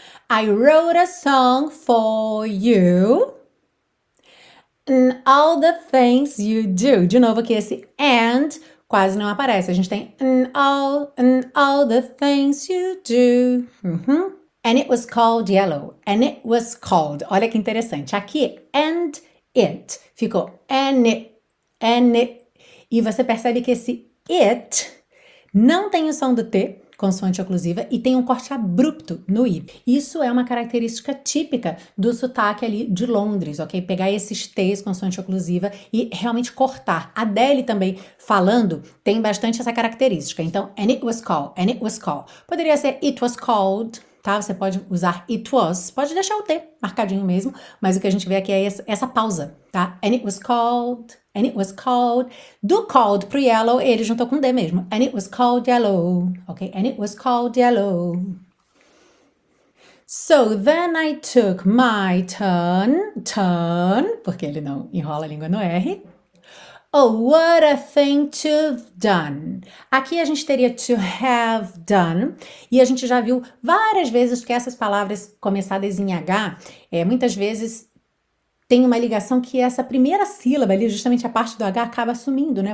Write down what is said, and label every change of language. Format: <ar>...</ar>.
<en>I wrote a song for you. And all the things you do.</en> <pt>De novo aqui esse and quase não aparece. A gente tem</pt> <en>and all the things you do. And it was called yellow. And it was called.</en> <pt>Olha que interessante. Aqui,</pt> <en>and it.</en> <pt>Ficou</pt> <en>and it.</en> <pt>E você percebe que esse it não tem o som do T, consoante oclusiva, e tem um corte abrupto no I. Isso é uma característica típica do sotaque ali de Londres, ok? Pegar esses T's, consoante oclusiva, e realmente cortar. A Adele também, falando, tem bastante essa característica.</pt> <en>Então, and it was called.</en> <pt>Poderia ser</pt> <en>it was called,</en> <pt>tá? Você pode usar it was, pode deixar o T marcadinho mesmo, mas o que a gente vê aqui é essa pausa, tá?</pt> <en>And it was called.</en> <pt>Do called pro yellow, ele juntou com D mesmo.</pt> <en>And it was called yellow. Ok? And it was called yellow. So then I took my turn,</en> <pt>porque ele não enrola a língua no R.</pt> <en>Oh, what a thing to have done.</en> <pt>Aqui a gente teria to have done. E a gente já viu várias vezes que essas palavras começadas em H, muitas vezes tem uma ligação que essa primeira sílaba ali, justamente a parte do H, acaba sumindo, né?</pt>